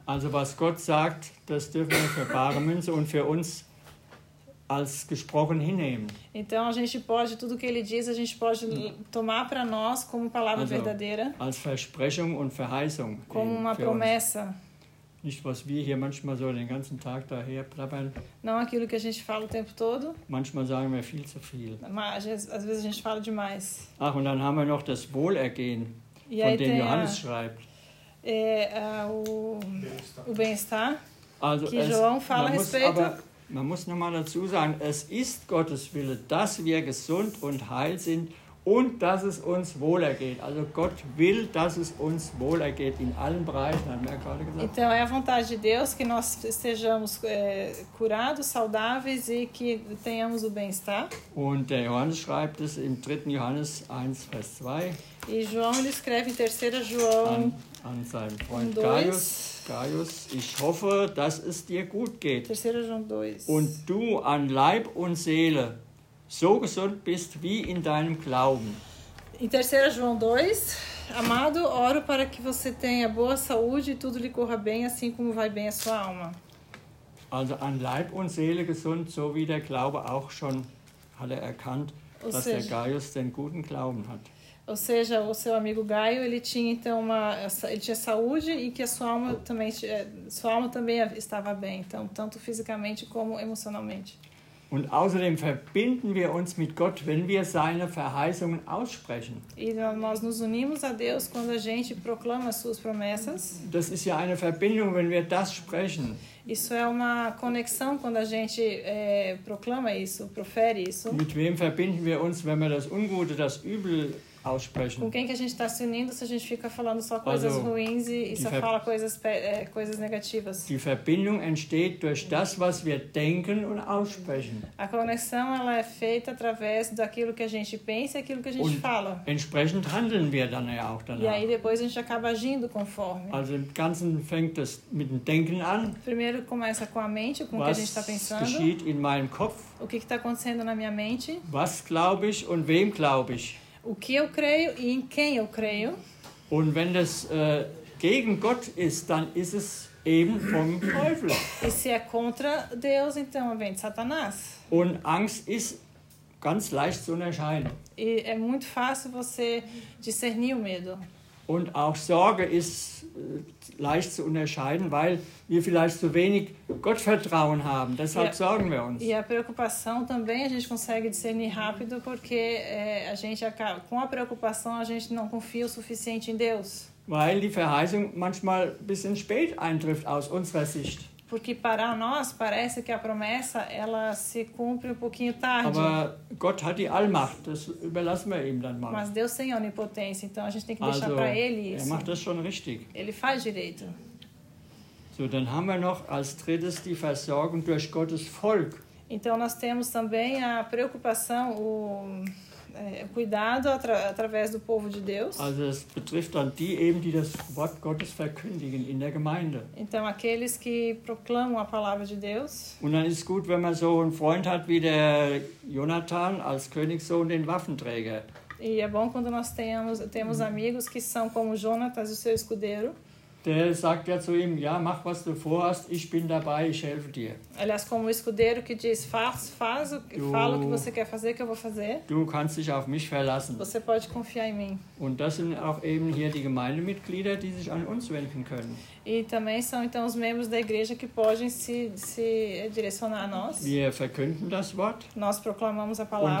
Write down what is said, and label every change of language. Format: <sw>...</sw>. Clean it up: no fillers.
<de>Also, was Gott sagt, das dürfen wir für bare Münze und für uns als gesprochen hinnehmen.</de> <pt>Então a gente pode tudo que ele diz, a gente pode tomar para nós como palavra</pt> <de>also,</de> <pt>verdadeira.</pt> <de>Als Versprechung und Verheißung.</de> <pt>Como uma promessa.</pt> <de>Uns. Nicht, was wir hier manchmal so den ganzen Tag daher plappern.</de> <pt>Não aquilo que a gente fala o tempo todo.</pt> <de>Manchmal sagen wir viel zu viel.</de> <pt>Às vezes a gente fala demais.</pt> <de>Ach, und dann haben wir noch das Wohlergehen, von dem Johannes schreibt.</de> <pt>O bem-estar,</pt> <de>also</de> <pt>que</pt> <de>es,</de> <pt>João fala a respeito.</pt> <de>Aber, man muss nochmal dazu sagen, es ist Gottes Wille, dass wir gesund und heil sind und dass es uns wohlergeht. Also Gott will, dass es uns wohlergeht in allen Bereichen, haben wir gerade gesagt.</de> <pt>Então é a vontade de Deus que nós estejamos curados, saudáveis e que tenhamos o bem-estar.</pt> <de>Und der Johannes schreibt es im 3. Johannes 1, Vers 2.</de> <pt>E João ele escreve em 3 João</pt> <de>an seinen Freund 2. Gaius, ich hoffe, dass es dir gut geht.</de> <pt>3. João 2.</pt> <de>Und du an Leib und Seele so gesund bist wie in deinem Glauben.</de> <pt>Em 3 João 2, amado, oro para que você tenha boa saúde e tudo lhe corra bem, assim como vai bem a sua alma.</pt> <de>Also an Leib und Seele gesund, so wie der Glaube auch schon hatte erkannt,</de> <pt>ou</pt> <de>dass</de> <pt>seja,</pt> <de>der Gaius den guten Glauben hat.</de> <pt>Ou seja, o seu amigo Gaio, ele tinha então ele tinha saúde e que a sua alma também estava bem, então tanto fisicamente como emocionalmente.</pt> <de>Und außerdem verbinden wir uns mit Gott, wenn wir seine Verheißungen aussprechen.</de> <pt>Nós nos unimos a Deus quando a gente proclama as suas promessas.</pt> <de>Das ist ja eine Verbindung, wenn wir das sprechen.</de> <pt>Isso é uma conexão quando a gente proclama isso, profere isso.</pt> <de>Mit wem verbinden wir uns, wenn wir das Ungute, das Übel aussprechen?</de> <pt>Com quem que a gente está se unindo se a gente fica falando só coisas ruins e só fala coisas negativas?</pt> <de>Die Verbindung entsteht durch das, was wir denken und aussprechen.</de> <pt>A conexão ela é feita através daquilo que a gente pensa e aquilo que a gente fala.</pt> <de>Entsprechend handeln wir dann ja auch danach.</de> <pt>E aí depois a gente acaba agindo conforme.</pt> <de>Also im Ganzen fängt das mit dem Denken an.</de> <pt>Primeiro começa com a mente, com o que a gente está pensando.</pt> <de>Was geschieht in meinem Kopf?</de> <pt>O que está acontecendo na minha mente?</pt> <de>Was glaube ich und wem glaube ich?</de> <pt>O que eu creio e em quem eu creio?</pt> <de>Und wenn das gegen Gott ist, dann ist es eben vom Teufel.</de> <pt>E se é contra Deus, então vem de Satanás.</pt> <de>Und Angst ist ganz leicht zu unterscheiden.</de> <pt>E é muito fácil você discernir o medo.</pt> <de>Und auch Sorge ist leicht zu unterscheiden, weil wir vielleicht zu wenig Gottvertrauen haben. Deshalb sorgen wir uns.</de> <pt>E a preocupação também a gente consegue discernir rápido, porque a gente acaba com a preocupação a gente não confia o suficiente em Deus.</pt> <de>Weil die Verheißung manchmal ein bisschen spät eintrifft aus unserer Sicht.</de> <pt>Porque para nós parece que a promessa ela se cumpre um pouquinho tarde.</pt> <de>Aber Gott hat die Allmacht, das überlassen wir ihm dann mal.</de> <pt>Mas Deus tem onipotência, então a gente tem que deixar para ele isso.</pt> <de>Er macht das schon richtig.</de> <pt>Ele faz direito.</pt> <de>So, dann haben wir noch als drittes die Versorgung durch Gottes Volk.</de> <pt>Então nós temos também a preocupação, o cuidado através do povo de Deus.</pt> <de>Also es betrifft dann die eben, die das Wort Gottes verkündigen in der Gemeinde.</de> <pt>Então aqueles que proclamam a palavra de Deus.</pt> <de>Und dann ist gut, wenn man so einen Freund hat wie der Jonathan als Königssohn, den Waffenträger.</de> <pt>E é bom quando nós temos amigos que são como Jonatas, o seu escudeiro.</pt> <de>Der sagt ja zu ihm, ja, mach was du vorhast, ich bin dabei, ich helfe dir.</de> <pt>Aliás, como o escudeiro que diz, faz, fala o que você quer fazer, que eu vou fazer.</pt> <de>Du kannst dich auf mich verlassen.</de> <pt>Você pode confiar em mim.</pt> <de>Und das sind auch eben hier die Gemeindemitglieder, die sich an uns wenden können.</de> <pt>E também são então os membros da igreja que podem se direcionar a nós.</pt> <de>Wir verkünden das Wort.</de> <pt>Nós proclamamos a palavra.</pt>